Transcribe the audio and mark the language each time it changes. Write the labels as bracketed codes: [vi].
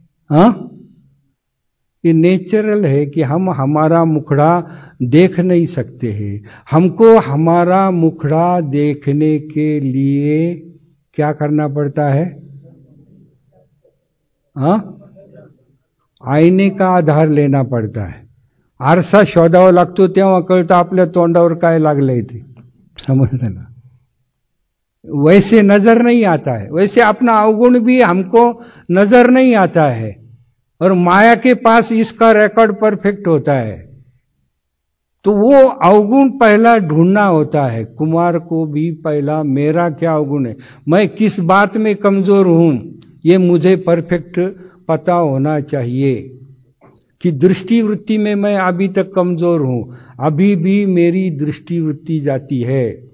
[hi] हाँ, ये नेचुरल है कि हम हमारा मुखड़ा देख नहीं सकते हैं। हमको हमारा मुखड़ा देखने के लिए क्या करना पड़ता है? हाँ, आईने का आधार लेना पड़ता है। [mr] आरसा शोधाव लागतो तेव्हा कळतं आपल्या तोंडावर काय लागलंय ते, समजलं ना? [hi] वैसे नजर नहीं आता है, वैसे अपना अवगुण भी हमको नजर नहीं आता है, और माया के पास इसका रिकॉर्ड परफेक्ट होता है। तो वो अवगुण पहला ढूंढना होता है, कुमार को भी पहला मेरा क्या अवगुण है, मैं किस बात में कमजोर हूं, ये मुझे परफेक्ट पता होना चाहिए कि दृष्टि वृत्ति में मैं अभी तक कमजोर हूं, अभी भी मेरी दृष्टि वृत्ति जाती है,